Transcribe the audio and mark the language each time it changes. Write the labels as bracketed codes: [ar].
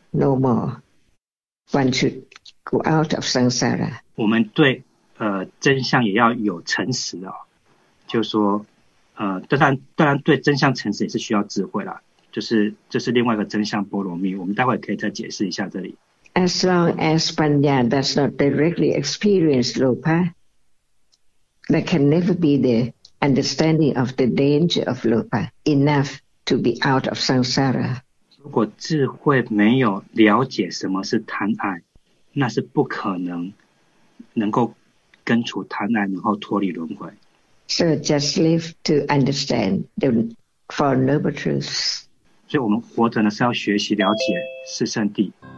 [en] no more. One should go out of samsara. [zh] 我们对真相也要有诚实哦，就是说当然对真相诚实也是需要智慧啦，就是这、就是另外一个真相波罗蜜，我们待会可以再解释一下这里。 [en] As long as Panya does not directly experience Lopa, there can never be the understanding of the danger of Lopa enough to be out of samsara. [zh] 如果智慧没有了解什么是贪爱，那是不可能能够根除贪爱，然后脱离轮回。 [en] So just live to understand the Four Noble Truths. [zh] 所以我们活着呢，是要学习了解四圣谛。